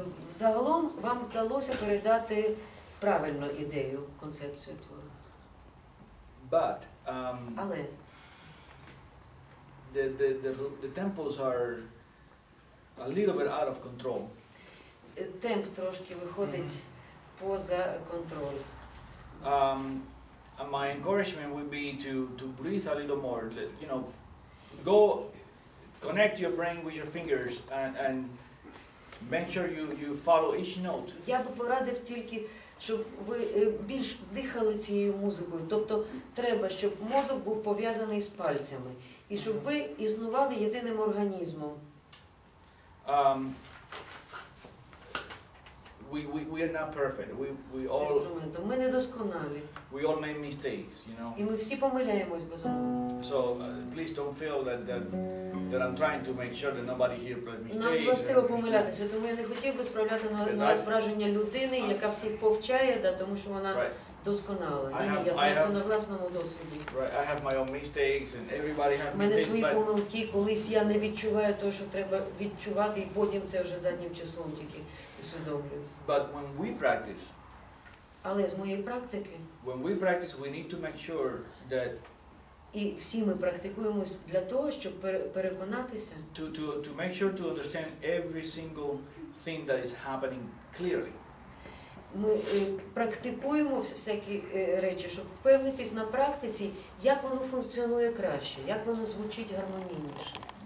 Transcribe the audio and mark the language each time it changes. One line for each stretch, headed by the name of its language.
Ukrainian: Загалом вам вдалося передати правильну ідею, концепцію твору.
English: But
Ukrainian: але
English: the tempos are a little bit out of control.
Ukrainian: Темп трошки виходить поза контроль.
English: My encouragement would be to breathe a little more, you know, go connect your brain with your fingers and make sure you follow each note.
Ukrainian: Я б порадив тільки, щоб ви більш дихали цією музикою. Тобто треба, щоб мозок був пов'язаний з пальцями і щоб ви існували єдиним організмом.
English: we are not perfect. We all
Ukrainian: інструменти. Ми недосконалі.
English: We all make mistakes, you know.
Ukrainian: І ми всі помиляємось безумовно.
English: So please don't feel that I'm trying to make sure that nobody here plays mistakes.
Ukrainian: Нам властиво помилятися, тому я не хотів би справляти на вас враження людини, яка всіх повчає, да, тому що вона досконала. Ні, я знаю це на власному досвіді.
English: Right, I have my own mistakes and everybody has mistakes.
Ukrainian: У мене свої помилки, колись я не відчуваю того, що треба відчувати, і потім це вже заднім числом тільки усвідомлюю.
English: But when we practice,
Ukrainian: але з моєї практики,
English: when we practice, we need to make sure that
Ukrainian: і всі ми практикуємось для того, щоб переконатися
English: to make sure to understand every single thing that is happening clearly.
Ukrainian: Ми практикуємо всякі речі, щоб впевнитись на практиці, як воно функціонує краще, як воно звучить гармонійніше.